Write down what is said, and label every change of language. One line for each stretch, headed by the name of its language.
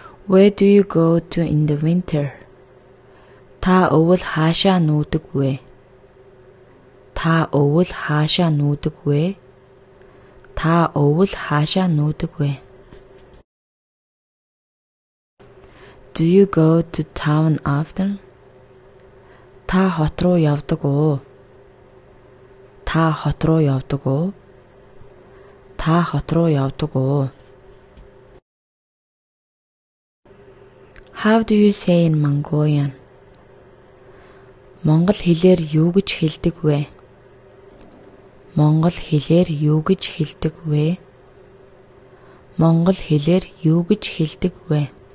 English: Where do you go to in the winter?
Mongolian: Та өвөл хаашаа нүүдэг вэ? Та өвөл хаашаа нүүдэг вэ? Та өвөл хаашаа нүүдэг вэ?
English: Do you go to town often?
Mongolian: Та хот руу явдаг уу? Та хот руу явдаг уу? Та хот руу явдаг уу?
English: How do you say in Mongolian?
Mongolian: Монгол хэлээр юу гэж хэлдэг вэ? Монгол хэлээр юу гэж хэлдэг вэ? Монгол хэлээр юу гэж хэлдэг вэ?